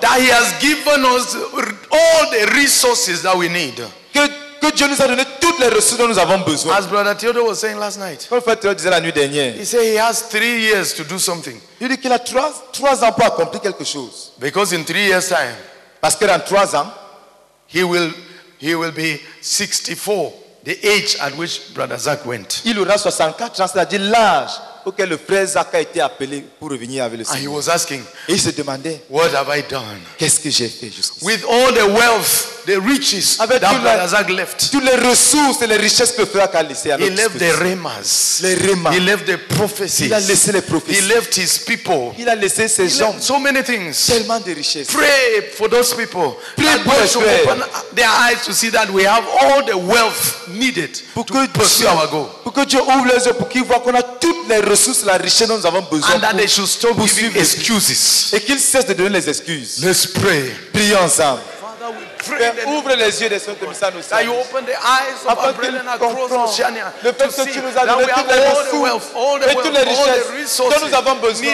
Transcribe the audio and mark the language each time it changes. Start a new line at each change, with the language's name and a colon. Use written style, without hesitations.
English: That he has given us all the resources that we need.
French: Que Dieu nous a donné toutes les ressources dont nous avons besoin.
English: As Brother Theodore was saying last night.
French: Comme Frère Theodore disait la nuit dernière.
English: He said he has 3 years to do something.
French: Il dit qu'il a trois ans pour accomplir quelque chose.
English: Because in 3 years time.
French: Parce que dans 3 ans,
English: he will be 64, the age at which Brother Zach went.
French: Il aura 64 ans, c'est-à-dire l'âge auquel le frère Zach a été appelé pour revenir avec le Seigneur.
English: And he was asking.
French: Et il se demandait.
English: What have I done?
French: Qu'est-ce que j'ai fait jusqu'ici?
English: With all the wealth. The riches
French: avec
English: that Brother Zach left.
French: Toutes les ressources et les richesses que Frère a laissé à l'autre.
English: He left the remas.
French: Les remas.
English: He left the prophecies.
French: Il a laissé les prophéties.
English: He left his people.
French: Il a laissé ses gens.
English: So many things.
French: Tellement de richesses.
English: Pray for those people. Pray that God should open their eyes to see that we have all the wealth needed
French: pour
English: to pursue our goal.
French: pour que Dieu ouvre les yeux pour qu'ils voient qu'on a toutes les ressources, la richesse dont nous avons besoin.
English: And that they should stop giving excuses.
French: Et qu'ils cessent de donner les excuses.
English: Let's pray.
French: Prions ensemble. Ouvre les yeux des saints de Missanosia. Afin que tu nous as donné toutes les ressources et toutes les richesses dont nous avons besoin